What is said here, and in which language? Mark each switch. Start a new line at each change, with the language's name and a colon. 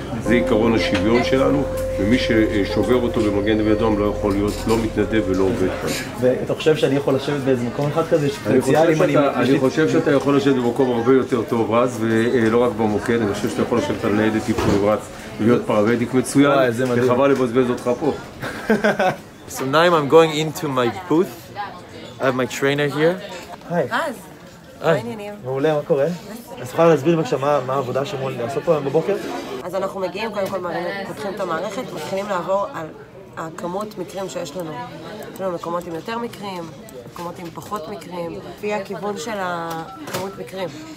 Hebrew: זה עיקרון השוויון שלנו, ומי ששובר אותו במגן דוד אדום לא יכול להיות לא מתנדב ולא עובד כאן. ואתה חושב שאני יכול לשבת באיזה מקום אחד כזה, שפוציאלי? אני חושב שאתה יכול לשבת במקום הרבה יותר טוב, רז, ולא רק במוקד, אני חושב שאתה יכול לשבת על ניידת טיפול נמרץ, להיות פרמדיק מצוין, וחבל לבזבז אותך פה.
English: So now I'm going into my booth. I have my trainer here. Hi.
Hebrew: מעולה, מה קורה? אז תוכל להסביר בבקשה מה העבודה שאמור לעשות פה היום בבוקר? אז אנחנו מגיעים, קודם כל פותחים את המערכת, מתחילים לעבור על הכמות מקרים שיש לנו. יש לנו מקומות עם יותר מקרים, מקומות עם פחות מקרים, לפי הכיוון של הכמות מקרים.